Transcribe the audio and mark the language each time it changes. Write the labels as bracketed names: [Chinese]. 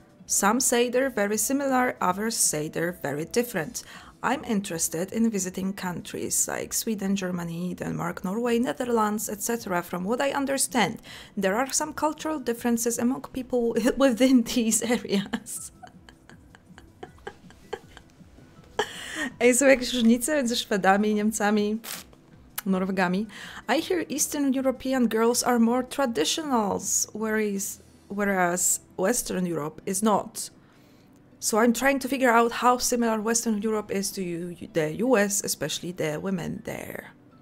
[English] Some say they're very similar, others say they're very different. I'm interested in visiting countries like Sweden, Germany, Denmark, Norway, Netherlands, etc. From what I understand, there are some cultural differences among people within these areas. [Polish] Ej, są jakieś różnice między Szwedami, Niemcami, Norwegami. [English] I hear Eastern European girls are more traditionals, whereas Western Europe is not. So I'm trying to figure out how similar Western Europe is to the US, especially the women there.